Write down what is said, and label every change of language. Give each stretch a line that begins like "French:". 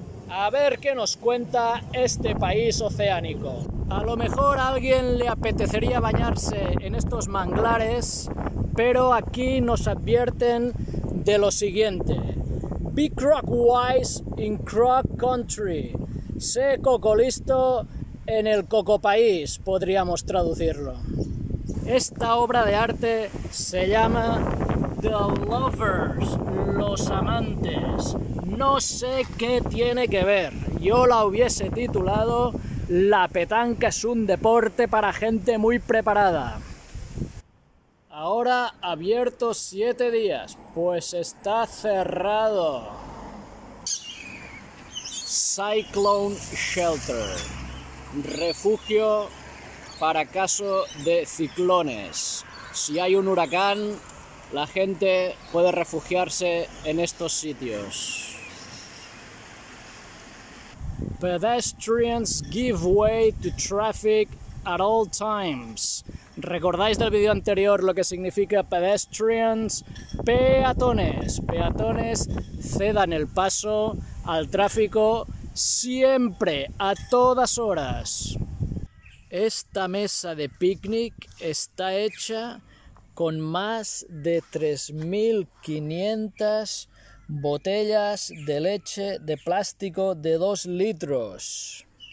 Spanish: A ver qué nos cuenta este país oceánico. A lo mejor a alguien le apetecería bañarse en estos manglares, pero aquí nos advierten de lo siguiente.
English: Be croc wise in croc country.
Spanish: Sé coco listo en el coco país, podríamos traducirlo. Esta obra de arte se llama The Lovers, los amantes. No sé qué tiene que ver. Yo la hubiese titulado La petanca es un deporte para gente muy preparada. Ahora abierto 7 días. Pues está cerrado.
English: Cyclone Shelter.
Spanish: Refugio para caso de ciclones. Si hay un huracán, la gente puede refugiarse en estos sitios.
English: Pedestrians give way to traffic at all times.
Spanish: ¿Recordáis del vídeo anterior lo que significa pedestrians? Peatones. Peatones cedan el paso al tráfico siempre, a todas horas. Esta mesa de picnic está hecha con más de 3.500 botellas de leche de plástico de 2 litros.